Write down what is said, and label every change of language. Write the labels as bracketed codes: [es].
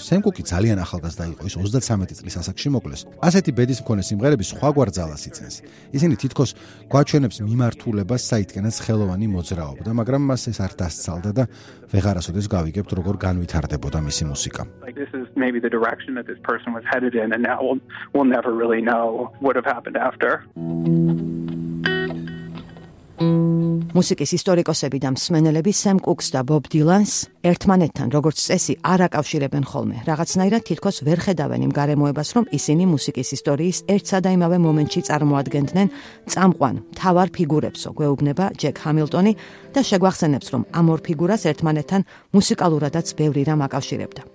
[ka] სემ კუკი ძალიან ახალგაზრდა იყო, ის 33 წლის ასაკში მოკლეს. ასეთი ბედის მქონე სიმღერები სხვაგვარ ძალას იძენს. ისინი თითქოს გვაჩვენებს მიმართულებას, საიდანაც ხელოვანი მოძრაობდა, მაგრამ მას ეს არ დასცალდა და ვეღარასოდეს გავიგებთ, როგორ განვითარდებოდა მისი მუსიკა. [en] Maybe the direction that this person was headed in, and now we'll never really know what would have happened after. [ka] მუსიკის ისტორიკოსები და მსმენელები სემ კუკს და ბობ დილანს ერთმანეთთან როგორც წესი არ აკავშირებენ ხოლმე. რაღაცნაირად თითქოს ვერ ხედავენ იმ გარემოებას, რომ ისინი მუსიკის ისტორიის ერთსა და იმავე მომენტში წარმოადგენდნენ წამყვან მთავარ ფიგურებსო, გვეუბნება ჯეკ ჰამილტონი და შეგვახსენებს, რომ ამ ორ ფიგურას ერთმანეთთან მუსიკალურადაც ბევრი რამ აკავშირებდა.